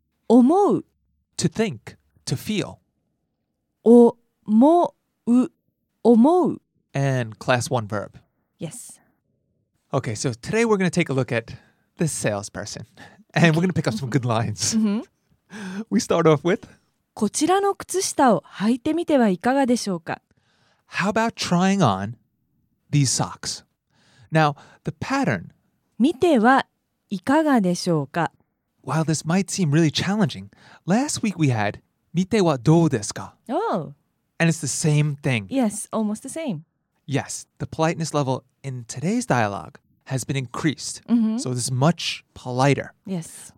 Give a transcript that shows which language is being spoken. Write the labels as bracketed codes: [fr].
[ja] 思う. [en] To think, to feel. [ja] 思う. [en] And class one verb. Yes. Okay, so today we're going to take a look at this salesperson. And we're going to pick up some good lines. We start off with. [ja] こちらの靴下を履いてみてはいかがでしょうか? [en] How about trying on these socks? Now, the pattern. [ja] 見てはいかがでしょうか? [en] While this might seem really challenging, last week we had [ja] 見てはどうですか? [en] Oh. And it's the same thing. Yes, almost the same. Yes, the politeness level in today's dialogue has been increased. So this is much politer. Yes.